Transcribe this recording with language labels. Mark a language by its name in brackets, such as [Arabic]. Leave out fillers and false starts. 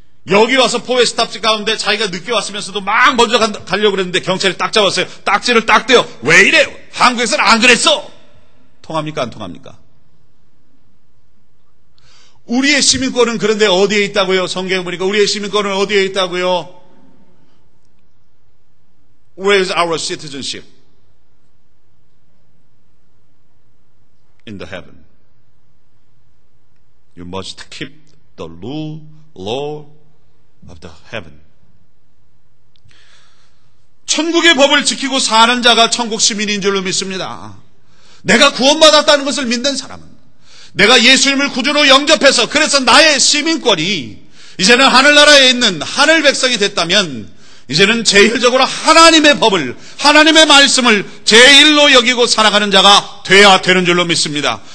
[Korean] 여기 와서 4A 스탑지 가운데 자기가 늦게 왔으면서도 막 먼저 가려고 그랬는데 경찰이 딱 잡았어요. 딱지를 딱 떼요. 왜 이래요? 한국에서는 안 그랬어. 통합니까? 안 통합니까? 우리의 시민권은 그런데 어디에 있다고요? 성경을 보니까 우리의 시민권은 어디에 있다고요? [English] Where is our citizenship? In the heaven. You must keep the law of the heaven. [Korean] 천국의 법을 지키고 사는 자가 천국 시민인 줄로 믿습니다. 내가 구원받았다는 것을 믿는 사람은 내가 예수님을 구주로 영접해서 그래서 나의 시민권이 이제는 하늘나라에 있는 하늘 백성이 됐다면 이제는 제일적으로 하나님의 법을 하나님의 말씀을 제일로 여기고 살아가는 자가 돼야 되는 줄로 믿습니다.